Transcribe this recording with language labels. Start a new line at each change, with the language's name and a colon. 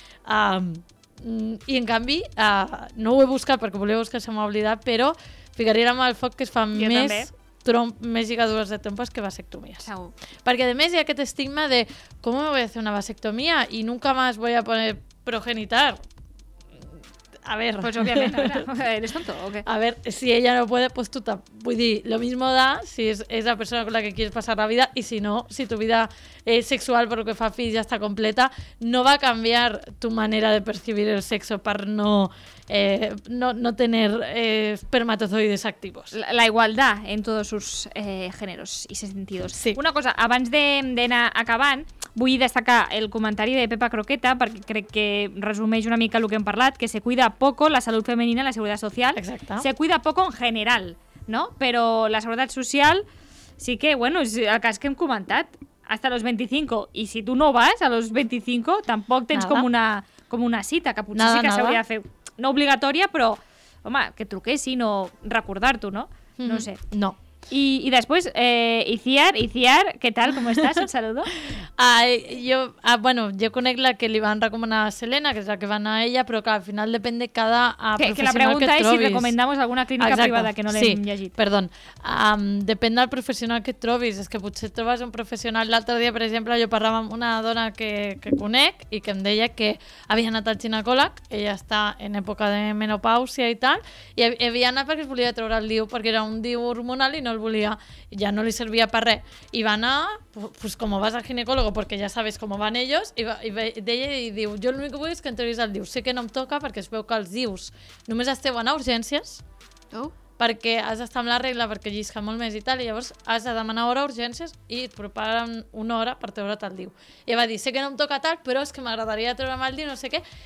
Catalan: I en canvi, no ho he buscat perquè volia buscar, se m'ha oblidat, però ficaré la mà al foc que es fan més lligadures de trompes que vasectomies. Segur. Perquè a més hi ha aquest estigma de com
Spanish: me voy a hacer una vasectomia i nunca más voy a poner progenitar. A ver, pues obviamente, ¿eres tonto o qué? A ver, si ella no puede, pues tú también.
Catalan: Vull dir,
Spanish: lo mismo da si es la persona con la que quieres pasar la vida y si no, si tu vida es sexual por lo que fa fit ya está completa, no va a cambiar tu manera de percibir el sexo para no tener espermatozoides activos. La igualdad en todos sus géneros y sentidos. Sí.
Catalan: Una cosa, abans d'anar acabant, vull destacar el comentari de Pepa Croqueta, perquè crec que resumeix una mica el que hem parlat, que
Spanish: se cuida poco
Catalan: la salut femenina, la seguretat social. Exacte.
Spanish: Se cuida poco en general, no?
Catalan: Però la seguretat social sí que, bueno, és el cas que hem comentat,
Spanish: hasta los 25.
Catalan: I si tu no vas
Spanish: a los 25,
Catalan: tampoc tens com una cita, que potser sí que s'hauria de fer, no obligatòria, però, home, que truquessin o recordar-t'ho, no? No sé. No.
Spanish: Y después, Iciar, ¿qué tal? ¿Cómo estás? Un saludo. Yo conozco la que le van a recomendar a Selena, que es la que van a ella, pero claro, al final depende cada profesional
Catalan: que trobis.
Spanish: Que la pregunta es si recomendamos alguna clínica privada que no le hayan llegit. Sí, perdón. Depende del profesional
Catalan: que trobis.
Spanish: Es que
Catalan: potser trobes
Spanish: un profesional.
Catalan: L'altre dia, per exemple, jo parlava amb una dona que conec i que em deia que havia anat al ginecòleg, ella està en època de menopàusia i tal, i havia anat perquè es volia treure el DIU, perquè era un DIU hormonal i no el volia, ja no li servia per res. I va anar,
Spanish: pues como vas al ginecólogo, porque ya sabes cómo van ellos,
Catalan: i diu, jo l'únic que vull és que entrevista el DIU. Sé que no em toca perquè es veu que els DIUs només esteu a urgències, perquè has d'estar amb la regla perquè llisca molt més i tal, i llavors has de demanar hora a urgències i et preparen una hora per treure't el DIU. I va dir, sé que no em toca tal, però és que m'agradaria treure'm el DIU, no sé què.